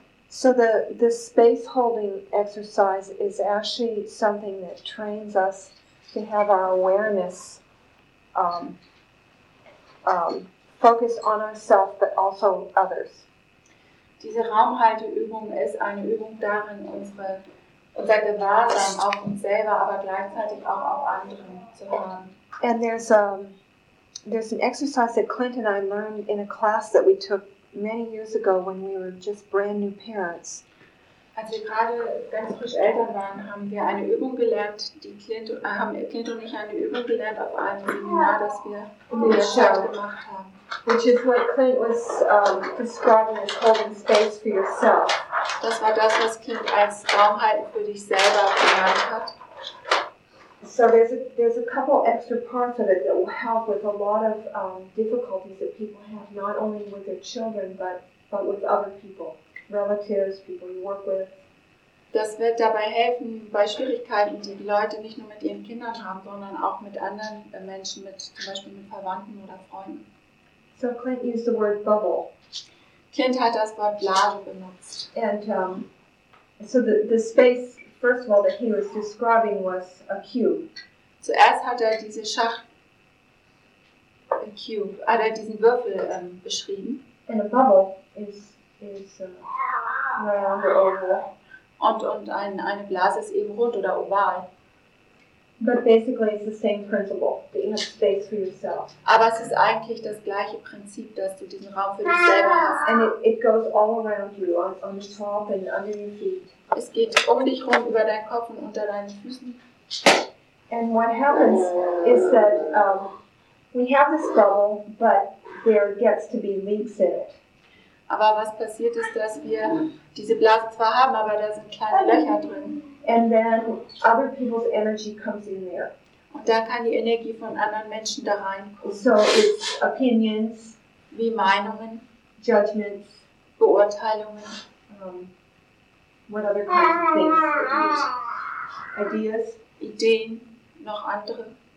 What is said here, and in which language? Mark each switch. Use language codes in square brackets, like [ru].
[en] So the space holding exercise is actually something that trains us to have our awareness focused on ourselves, but also others. [de] Diese Raumhalteübung ist eine Übung darin, unsere unser Gewahrsein auf uns selber, aber gleichzeitig auch auf andere zu hören. [en] And there's an exercise that Clint and I learned in a class that we took many years ago when we were just brand new parents. [de] Als wir gerade ganz frisch Eltern waren, haben wir eine Übung gelernt, die Clint, Clint und ich eine Übung gelernt auf einem Seminar, das wir in der Stadt gemacht haben. [en] Which is what Clint was describing as holding space for yourself. [de] Das war das, was Clint als Raum halten für dich selber gemeint hat. [en] So there's a couple extra parts of it that will help with a lot of difficulties that people have, not only with their children, but with other people, relatives, people you work with. [de] Das wird dabei helfen bei Schwierigkeiten, die Leute nicht nur mit ihren Kindern haben, sondern auch mit anderen Menschen, mit zum Beispiel mit Verwandten oder Freunden. [en] So Clint used the word bubble. [de] Clint hat das Wort Blase benutzt. [en] And so the space. First of all, that he was describing was a cube. [de] Zuerst hat diese Schacht, [en] a cube, [de] hat diesen Würfel beschrieben. [en] And a bubble is round or oval. [de] Und eine Blase ist eben rund oder oval. [en] But basically, it's the same principle, that you have space for yourself. [de] Aber es ist eigentlich das gleiche Prinzip, dass du diesen Raum für dich selber hast. [en] And it goes all around you, on the top and under your feet. [de] Es geht um dich rum, über deinen Kopf und unter deinen Füßen. [en] And what happens is that we have this bubble, but there gets to be leaks in it. [de] Aber was passiert ist, dass wir diese Blase zwar haben, aber da sind kleine Löcher drin. [en] And then other people's energy comes in there. [de] Und da kann die Energie von anderen Menschen da reinkommen. [en] So it's opinions, [de] wie Meinungen, [en] judgments, [de] Beurteilungen, [en] what other kinds of things? Ideas? [de] Ideen? Noch andere?